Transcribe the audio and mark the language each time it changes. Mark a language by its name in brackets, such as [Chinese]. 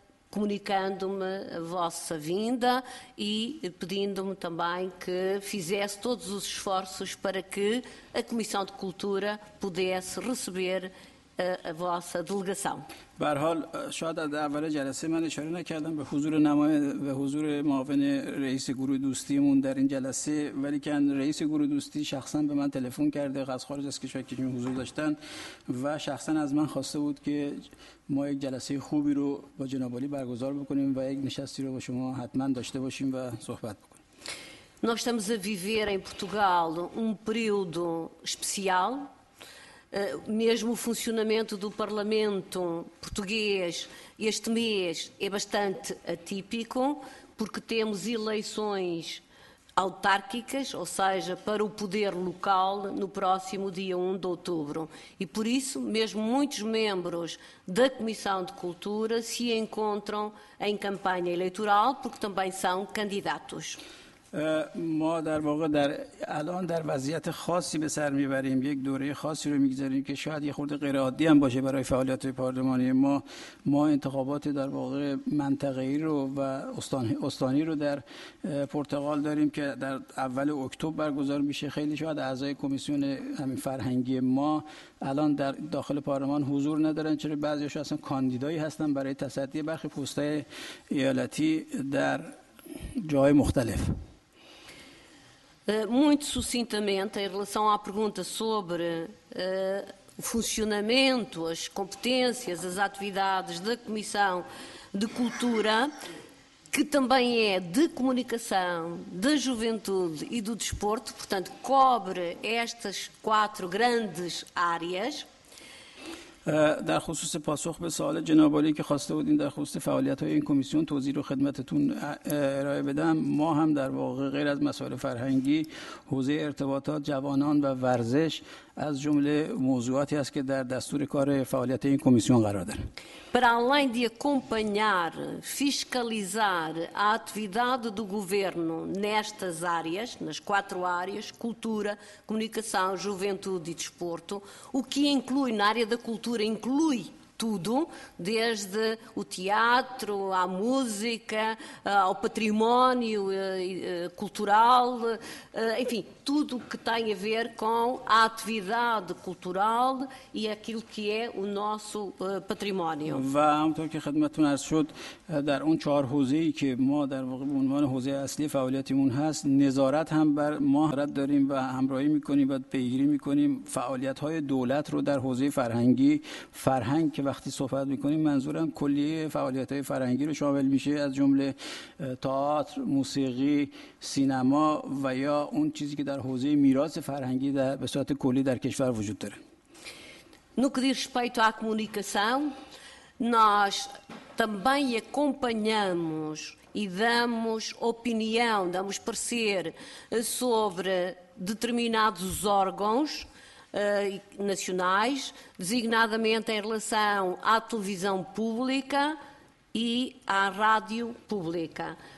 [Portuguese] comunicando-me a vossa vinda e pedindo-me também que fizesse todos os esforços para que a Comissão de Cultura pudesse receber a vossa delegação. [Persian] برحال شاید از اول جلسه من اشاره نکردم به حضور نماینده و حضور معاون رئیس گروه دوستیمون در این جلسه ولی کن رئیس گروه دوستی شخصا به من تلفن کرده از خارج از کشور که حضور داشتن و شخصا از من خواسته بود که ما یک جلسه خوبی رو با جناب عالی برگزار بکنیم و یک نشستی رو با شما حتما داشته باشیم و صحبت بکنیم. [Portuguese] Nós estamos a viver em Portugal período especial. Mesmo o funcionamento do Parlamento português este mês é bastante atípico, porque temos eleições autárquicas, ou seja, para o poder local, no próximo dia 1 de outubro. E por isso, mesmo muitos membros da Comissão de Cultura se encontram em campanha eleitoral, porque também são candidatos. [Persian] ما در واقع در الان در وضعیت خاصی به سر میبریم، یک دوره خاصی رو میگذاریم که شاید یه خورده غیر عادی هم باشه برای فعالیت پارلمانی ما. ما انتخابات در واقع منطقه‌ای رو و استانی رو در پرتغال داریم که در اول اکتبر برگزار میشه. خیلی شاید اعضای کمیسیون همین فرهنگی ما الان در داخل پارلمان حضور ندارن، چرا بعضیاشون اصلا کاندیدایی هستن برای تصدی برخی پست‌های ایالتی در جای مختلف. [Portuguese] Muito sucintamente, em relação à pergunta sobre o funcionamento, as competências, as atividades da Comissão de Cultura, que também é de comunicação, da juventude e do desporto, portanto, cobre estas quatro grandes áreas. [Persian] در خصوص پاسخ به سوال جناب عالی که خواسته بودین در خصوص فعالیت‌های این کمیسیون توضیح رو خدمتتون ارائه بدم، ما هم در واقع غیر از مسائل فرهنگی، حوزه ارتباطات، جوانان و ورزش از جمله موضوعاتی است که در دستور کار فعالیت این کمیسیون قرار داره. [Portuguese] Para além de acompanhar, fiscalizar a atividade do governo nestas áreas, nas quatro áreas, cultura, comunicação, juventude e desporto, o que inclui na área da cultura, inclui tudo, desde o teatro, à música, ao património cultural, enfim, tudo o que tem a ver com a atividade cultural e aquilo que é o nosso património. [Persian] همونطور که خدمتتون عرض شد، در اون چهار حوزه‌ای که ما در واقع به عنوان حوزه اصلی فعالیتمون هست، نظارت هم بر ما رد داریم و همراهی می‌کنیم و پیگیری می‌کنیم فعالیت‌های دولت رو در حوزه فرهنگی. فرهنگ که وقتی صحبت می‌کنیم منظورم کلیه فعالیت‌های فرهنگی رو شامل میشه، از جمله تئاتر، موسیقی، سینما و یا اون چیزی که در حوزه میراث فرهنگی در به صورت کلی در کشور وجود داره. [Portuguese] No que diz respeito à comunicação, nós também acompanhamos e damos opinião, damos parecer sobre determinados órgãos nacionais, designadamente em relação à televisão pública e à rádio pública.